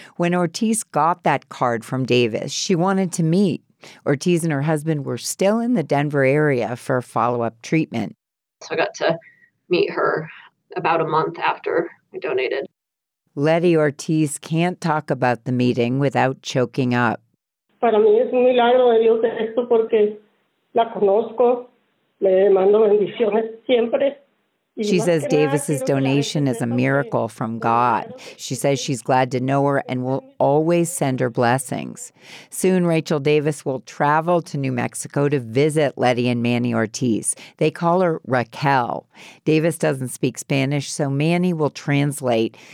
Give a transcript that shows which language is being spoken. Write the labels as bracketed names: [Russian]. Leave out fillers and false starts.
[English] When Ortiz got that card from Davis, she wanted to meet. Ortiz and her husband were still in the Denver area for follow-up treatment. So I got to meet her about a month after I donated. Letty Ortiz can't talk about the meeting without choking up. [Spanish] Para mí es un milagro de Dios esto porque la conozco, le mando bendiciones siempre. [English] She says Davis's donation is a miracle from God. She says she's glad to know her and will always send her blessings. Soon, Rachel Davis will travel to New Mexico to visit Letty and Manny Ortiz. They call her Raquel. Davis doesn't speak Spanish, so Manny will translate.